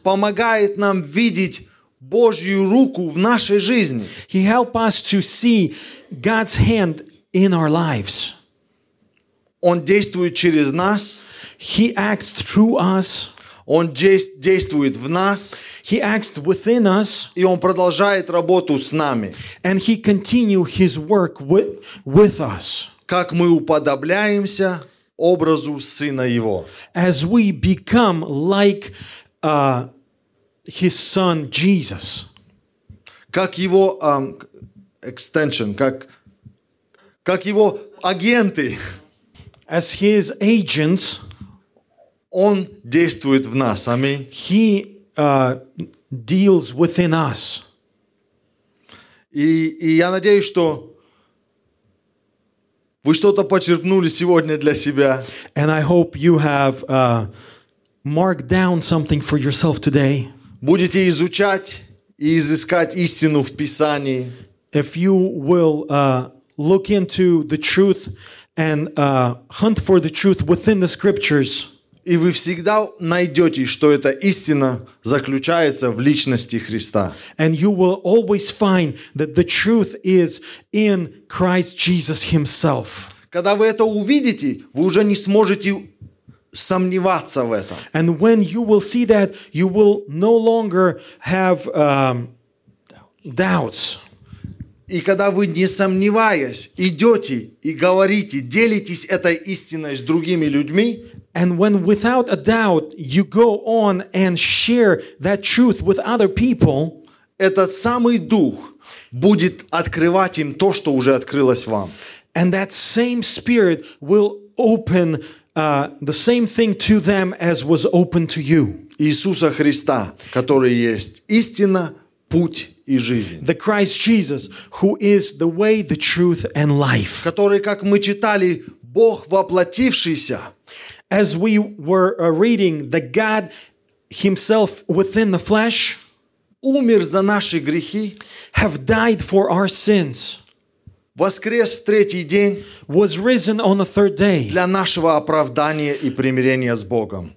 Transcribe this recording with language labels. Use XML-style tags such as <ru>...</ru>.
<ru>помогает нам видеть Божью руку в нашей жизни.</ru> <en>He help us to see God's hand in our lives.</en> <ru>Он действует через нас.</ru> <en>He acts through us.</en> <ru>Он действует в нас.</ru> <en>He acts within us.</en> <ru>И он продолжает работу с нами.</ru> <en>And he continue his work with us.</en> <ru>Как мы уподобляемся образу сына его.</ru> <en>As we become like his son Jesus.</en> <ru>Как его extension, как его агенты.</ru> <en>As his agents.</en> <ru>Он действует в нас. Аминь.</ru> <en>He deals within us.</en> <ru>И я надеюсь, что вы что-то почерпнули сегодня для себя.</ru> <en>And I hope you have marked down something for yourself today.</en> <ru>Будете изучать и изыскать истину в Писании.</ru> <en>If you will look into the truth and hunt for the truth within the scriptures.</en> <ru>И вы всегда найдете, что эта истина заключается в личности Христа.</ru> <en>And you will always find that the truth is in Christ Jesus himself.</en> <ru>Когда вы это увидите, вы уже не сможете сомневаться в этом.</ru> <en>And when you will see that, you will no longer have doubts.</en> <ru>И когда вы, не сомневаясь, идете и говорите, делитесь этой истиной с другими людьми,</ru> <en>and when without a doubt you go on and share that truth with other people,</en> <ru>этот самый дух будет открывать им то, что уже открылось вам.</ru> <en>And that same spirit will open the same thing to them as was open to you.</en> <ru>Иисуса Христа, который есть истина, путь и жизнь.</ru> <en>The Christ Jesus, who is the way, the truth and life.</en> <ru>Который, как мы читали, Бог воплотившийся.</ru> <en>As we were reading, that God himself within the flesh</en> <ru>умер за наши грехи,</ru> <en>have died for our sins,</en> <ru>воскрес в третий день,</ru> <en>was risen on the third day,</en> <ru>для нашего оправдания и примирения с Богом,</ru>